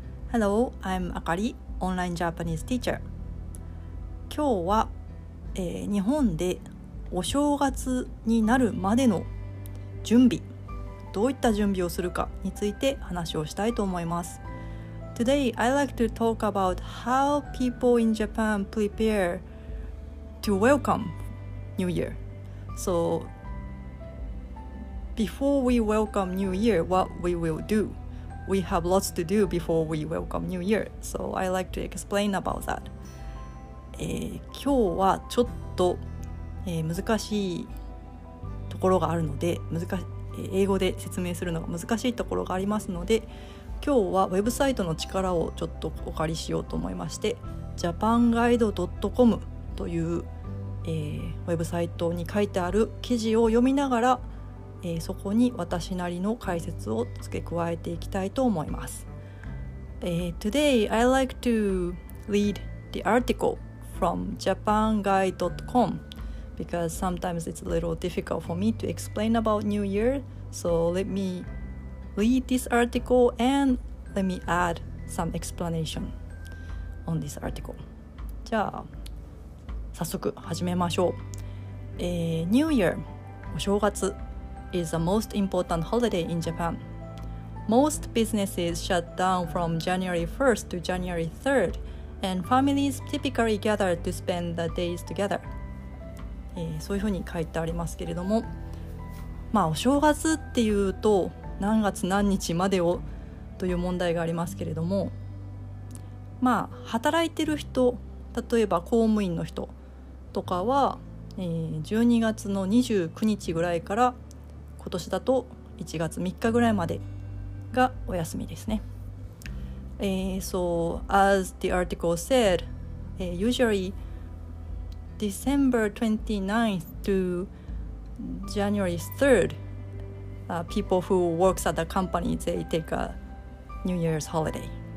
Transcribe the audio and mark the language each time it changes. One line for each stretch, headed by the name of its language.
English: Hello, I'm あかり, online Japanese teacher.
Japanese: 今日は、日本でお正月になるまでの準備、どういった準備をするかについて話をしたいと思います。
English: Today, I'd like to talk about how people in Japan prepareto welcome New Year. So before we welcome New Year, what we will do? We have lots to do before we welcome New Year. So I like to explain about that.
Japanese: 今日はちょっと、難しいところがあるので英語で説明するのが難しいところがありますので、今日はウェブサイトの力をちょっとお借りしようと思いまして、 japanguide.com というウェブサイトに書いてある記事を読みながら、そこに私なりの解説を付け加えていきたいと思います。
English: Today I like to read the article from japanguide.com because sometimes it's a little difficult for me to explain about New Year, so let me read this article and let me add some explanation on this article.
Japanese: じゃあ早速始めましょう。
English: New Year, お正月 is the most important holiday in Japan. Most businesses shut down from January 1st to January 3rd, and families typically gather to spend the days together.
Japanese: そういうふうに書いてありますけれども、まあお正月っていうと何月何日までをという問題がありますけれども、まあ働いてる人、例えば公務員の人とかは、12月の29日ぐらいから、今年だと1月3日ぐらいまでがお休みですね。
English: So as the article said, usually December 29th to January 3rd, people who works at the company, they take a New Year's holiday.